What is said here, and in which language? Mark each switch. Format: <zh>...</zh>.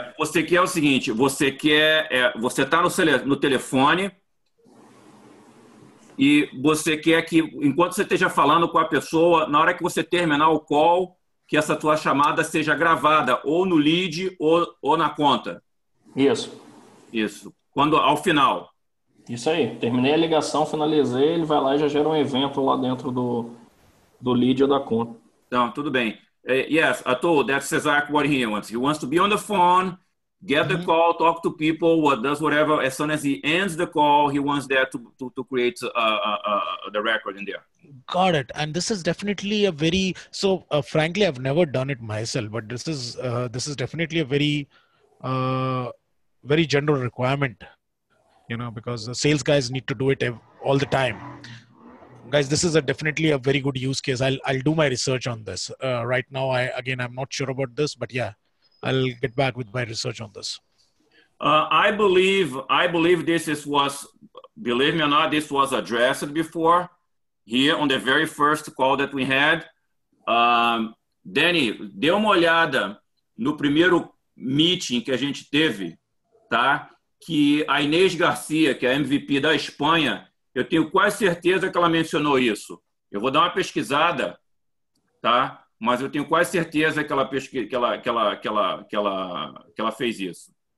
<pt>Você quer o seguinte, você tá no telefone e você quer que, enquanto você esteja falando com a pessoa, na hora que você terminar o call, que essa tua chamada seja gravada ou no lead ou na conta. Isso. Isso. Quando, ao final. Isso aí. Terminei a ligação, finalizei, ele vai lá e já gera um evento lá dentro do lead ou da conta. Então, tudo bem.</pt> <en>Yes, Atul, that's exactly what he wants. He wants to be on the phone, get the call, talk to people, does whatever. As soon as he ends the call, he wants that to create the record in there. Got it. And this is definitely a very... So, frankly, I've never done it myself, but this is definitely a very, very general requirement, you know, because the sales guys need to do it all the time. Guys, this is definitely a very good use case. I'll do my research on this. Right now, I'm not sure about this, but yeah, I'll get back with my research on this. I believe this was, believe me or not, this was addressed before here on the very first call that we had.</en> <pt>Danny, dê uma olhada no primeiro meeting que a gente teve, tá? Que a Inês Garcia, que é a MVP da Espanha, eu tenho quase certeza que ela mencionou isso. Eu vou dar uma pesquisada, tá? Mas eu tenho quase certeza que ela fez isso.</pt>